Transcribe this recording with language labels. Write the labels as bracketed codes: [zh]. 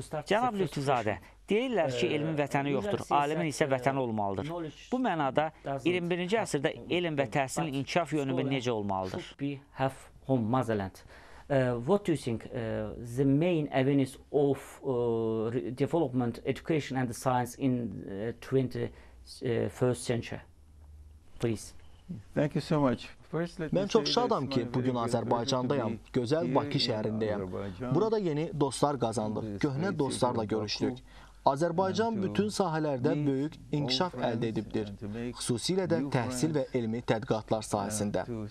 [az] Cənab Lütfuzadə, deyirlər ki, elmin vətəni yoxdur, alimin isə vətəni olmalıdır. Bu mənada 21-ci əsrdə elm və təhsilin inkişaf yönümü necə olmalıdır? [en] We have home motherland. What do you think the main avenues of development, education and science in 21st century? Please. Thank you so much. [az] Mən çox şadam ki, bugün Azərbaycandayam, gözəl Bakı şəhərindəyəm. Burada yeni dostlar qazandıq, köhnə dostlarla görüşdük. Azərbaycan bütün sahələrdə böyük inkişaf əldə edibdir, xüsusilə də təhsil və elmi tədqiqatlar sayəsində.